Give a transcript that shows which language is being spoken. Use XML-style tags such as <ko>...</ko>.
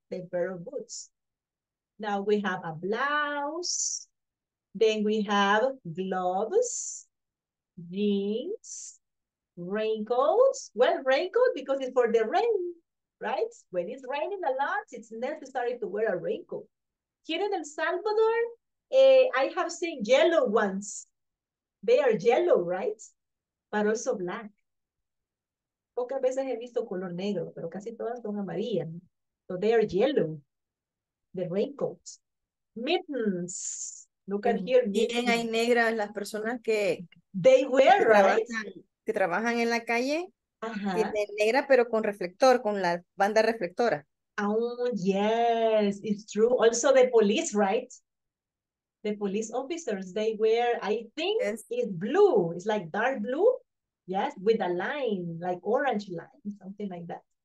<en>The pair of boots. Now we have a blouse, then we have gloves, jeans, raincoats. Well, raincoat because it's for the rain, right? When it's raining a lot, it's necessary to wear a raincoat. Here in El Salvador, I have seen yellow ones. They are yellow, right? But also black.</en> <es>Pocas veces he visto color negro, pero casi todas son amarillas.</es> <en>So they are yellow. The raincoats. Mittens. Look at here, mittens.</en> <es>Bien, hay negras las personas que...</es> <en>They wear, que right?</en> <es>Que trabajan en la calle. Tienen negra, pero con reflector, con la banda reflectora.</es> <en>Oh, yes, it's true. Also the police, right? The police officers, they wear, I think, yes, it's blue. It's like dark blue, yes, with a line, like orange line, something like that.</en>